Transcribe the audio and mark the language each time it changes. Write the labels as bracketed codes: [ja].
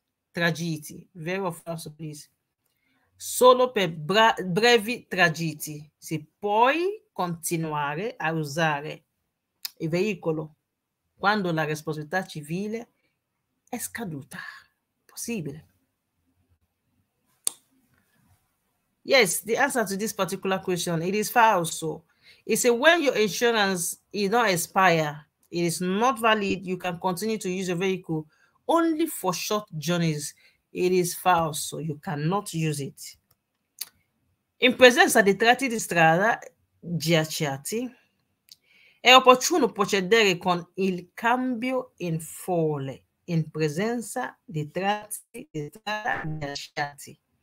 [it] Tragitti, vero o falso, please? Solo per brevi tragitti. Si può continuare a usare il veicolo quando la responsabilità civile è scaduta. Possibile. [en] Yes, the answer to this particular question, it is falso. It is when your insurance is not expire, it is not valid, you can continue to use your vehicle only for short journeys. It is falso. You cannot use it. [it] In presenza di tratti di strada giacciati, è opportuno procedere con il cambio in folle in presenza di tratti di strada giacciati.